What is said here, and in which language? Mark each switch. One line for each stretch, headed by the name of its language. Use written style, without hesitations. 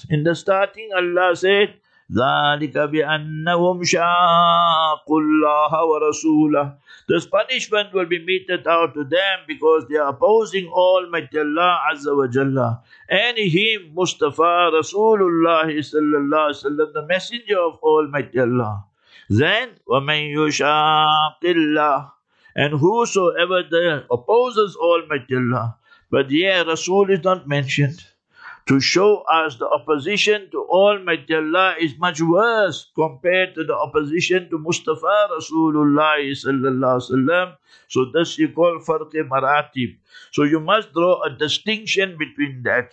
English: In the starting, Allah said,
Arabic: ذَلِكَ بِأَنَّهُمْ شَاقُوا اللَّهَ وَرَسُولَهُ.
English: This punishment will be meted out to them because they are opposing Almighty Allah Azza wa Jalla and him, Mustafa Rasulullah Sallallahu Alaihi Wasallam, the messenger of Almighty Allah. Then,
Arabic: وَمَنْ يُشَاقِ اللَّهِ.
English: And whosoever opposes Almighty Allah. But yeah, Rasul is not mentioned. To show us the opposition to Almighty Allah is much worse compared to the opposition to Mustafa Rasulullah sallallahu alaihi wasallam. So this you call farqi maratib. So you must draw a distinction between that.